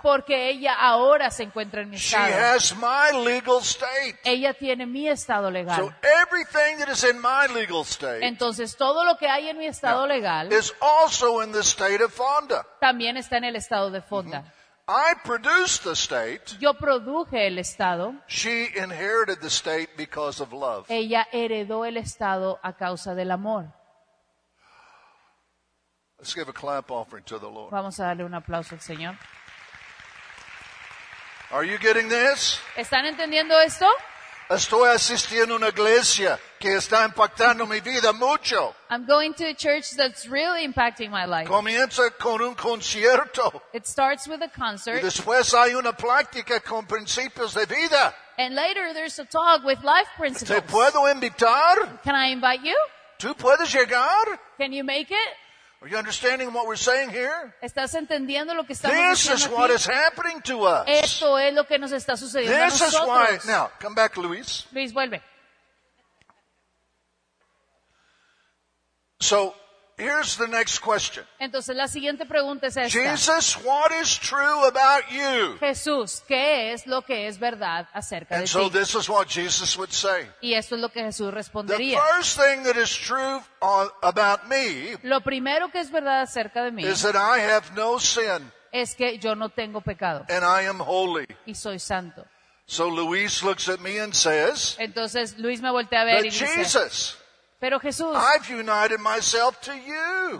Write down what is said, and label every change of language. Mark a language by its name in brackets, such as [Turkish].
[Spanish] Porque ella ahora se encuentra en mi estado. [English] She has my legal state. [Spanish] Ella tiene mi estado legal. [English] So everything that is in my legal state, [Spanish] entonces todo lo que hay en mi estado legal, [English] is also in the state of Fonda. [Spanish] También está en el estado de Fonda. Mm-hmm. [English] I produced the state. [Spanish] Yo produje el estado. [English] She inherited the state because of love. [Spanish] Ella heredó el estado a causa del amor. [English] Let's give a clap offering to the Lord. [Spanish] Vamos a darle un aplauso al Señor. [English] Are you getting this? [Spanish] ¿Están entendiendo esto? Estoy asistiendo a una iglesia que está impactando mi vida mucho. [English] I'm going to a church that's really impacting my life. [Spanish] Comienza con un concierto. [English] It starts with a concert. [Spanish] Y después hay una plática con principios de vida. [English] And later there's a talk with life principles. [Spanish] ¿Te puedo invitar? [English] Can I invite you? [Spanish] ¿Tú puedes llegar? [English] Can you make it? Are you understanding what we're saying here? [Spanish] ¿Estás entendiendo lo que estamos diciendo [English] This is what is happening to us. [Spanish] Esto es lo que nos está sucediendo [English] this [Spanish] a nosotros. [English] Is why, now, come back, Luis. [Spanish] Luis, vuelve. [English] So, here's the next question. [Spanish] Entonces, la siguiente pregunta es esta. [English] Jesus, what is true about you? [Spanish] Jesús, ¿qué es lo que es verdad acerca [English] and [Spanish] de [English] so [Spanish] ti? [English] And so this is what Jesus would say. [Spanish] Y esto es lo que Jesús respondería. [English] The first thing that is true about me [Spanish] lo primero que es verdad acerca de mí [English] is that I have no sin [Spanish] es que yo no tengo pecado [English] and I am holy. [Spanish] Y soy santo. [English] So Luis looks at me and says, [Spanish] entonces Luis me voltea a ver y [English] Jesus, [Spanish] dice, pero Jesús, [English] I've united myself to you.